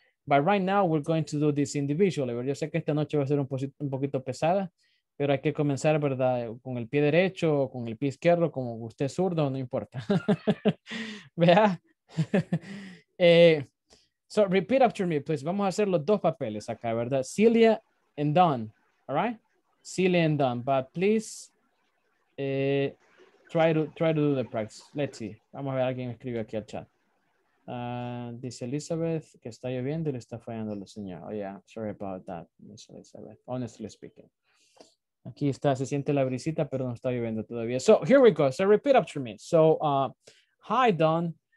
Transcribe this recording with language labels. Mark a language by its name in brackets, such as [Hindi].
[English] But right now we're going to do this individually. [Spanish] ¿Verdad? Yo sé que esta noche va a ser un poquito pesada, pero hay que comenzar, ¿verdad? Con el pie derecho, o con el pie izquierdo, como usted es zurdo, no importa. Vea. [English] So repeat after me, please. [Spanish] Vamos a hacer los dos papeles acá, ¿verdad? [English] Celia and Don, all right? Celia and Don, but please try to do the practice. Let's see. [Spanish] Vamos a ver, alguien escribió aquí al chat. Dice Elizabeth que está lloviendo y le está fallando la señal. [English] Oh yeah, sorry about that, Miss Elizabeth. Honestly speaking, [Spanish] aquí está, se siente la brisita, pero no está lloviendo todavía. [English] So here we go. So repeat after me. So hi Don.